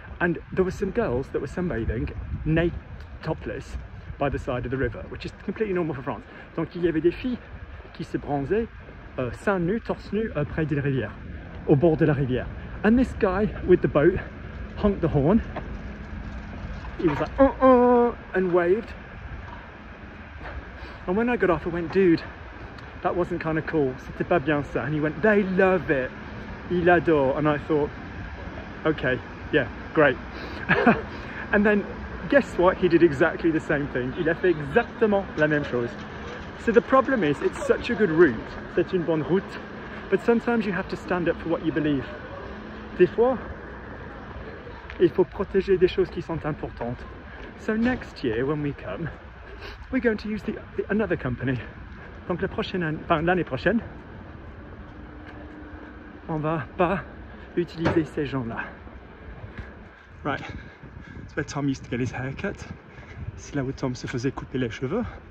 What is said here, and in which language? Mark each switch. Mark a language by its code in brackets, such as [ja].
[en] And there were some girls that were sunbathing, topless, by the side of the river, which is completely normal for France. [fr] Donc il y avait des filles qui se bronzaient, seins nus, torse nus, près de la rivière, au bord de la rivière. [en] And this guy with the boat honked the horn. He was like, and waved. And when I got off, I went, dude, that wasn't kind of cool. [fr] C'était pas bien ça. [en] And he went, they love it. [fr] Il adore. [en] And I thought, okay, yeah, great. And then guess what? He did exactly the same thing. [fr] Il a fait exactement la même chose. [en] So the problem is, it's such a good route. [fr] C'est une bonne route. [en] But sometimes you have to stand up for what you believe. [fr] Des fois, il faut protéger des choses qui sont importantes. [en] So next year, when we come, we're going to use another company. [fr] Donc la prochaine, enfin, l'année prochaine, on va pas utiliser ces gens-là. [en] Right, it's where Tom used to get his hair cut. [fr] C'est là où Tom se faisait couper les cheveux.